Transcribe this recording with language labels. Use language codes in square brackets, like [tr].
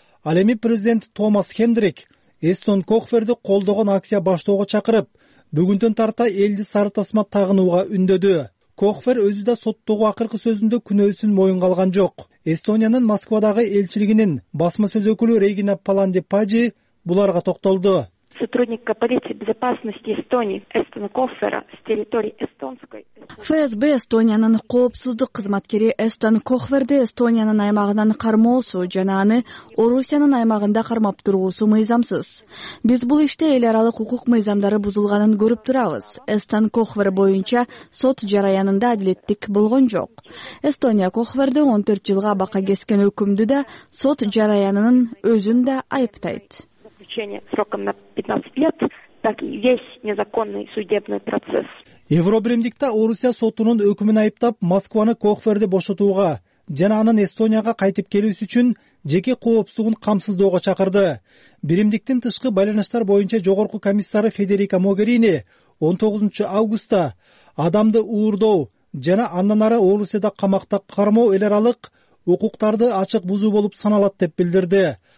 [ky] Ал эми президент Томас Хендрик Эстон Кохверди колдогон акция баштоого чакырып, бүгүнтөн тарта элди сары тасма тагынууга үндөдү. Кохвер өзү да соттогу акыркы сөзүндө күнөөсүн моюнга алган жок. Эстониянын Москвадагы элчилигинин басма сөз өкүлү Регина Паланди-Пажи буларга токтолду. [ru] Сотрудника полиции безопасности Эстонии Эстона Кохвера с территории эстонской [ky] ФСБ Эстониянын коопсуздук кызматкери Эстон Кохверди Эстониянын аймагынан кармоосу жана аны Орусиянын аймагында кармап туруусу мыйзамсыз. Биз бул иште эл аралык укук мыйзамдары бузулганын көрүп турабыз. Эстон Кохвер боюнча сот жараянында адилеттик болгон жок. Эстония Кохверди 14 жылга абакка кескен өкүмдү да сот жараянынын өзүн да айыптайт. [ru] заключение сроком на 15 лет, так и весь незаконный судебный процесс. [ky] Евробиримдикте Орусия сотунун өкүмүн айыптап, Москваны Кохверди бошотууга жана анын Эстонияга кайтып келүүсү үчүн жеке коопсуздугун камсыздоого чакырды. Биримдиктин тышкы байланыштар боюнча жогорку комиссары Федерика Могерини 19 августта адамды уурдоо жана андан ары Орусияда камакта кармоо эл аралык укуктарды ачык бузуу болуп саналат деп билдирди.